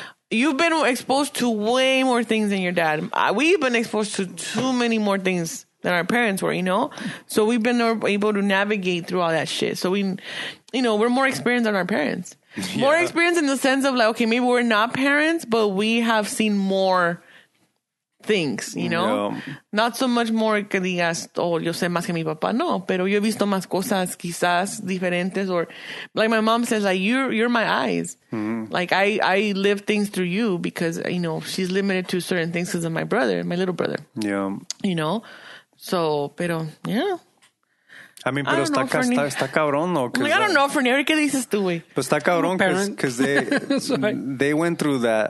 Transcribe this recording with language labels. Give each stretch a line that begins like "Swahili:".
English: You've been exposed to way more things than your dad. We've been exposed to too many more things than our parents were, you know? So we've been able to navigate through all that shit. So we, you know, we're more experienced than our parents. Yeah. More experienced in the sense of like, okay, maybe we're not parents, but we have seen more things, you know? Yeah. Not so much more
Spanish: que digas, oh, yo sé más que mi papá. No, pero yo he visto más cosas quizás diferentes.
English: Or like my mom says, like, you're my eyes. Mm-hmm. Like, I live things through you because, you know, she's limited to certain things because of my brother, my little brother. Yeah. You know? So, pero, yeah. I mean,
Spanish: pero está cabrón, ¿no?
English: I don't know,
Spanish: Fernieri, ¿qué dices tú, güey? Pues está cabrón
English: because they went through that.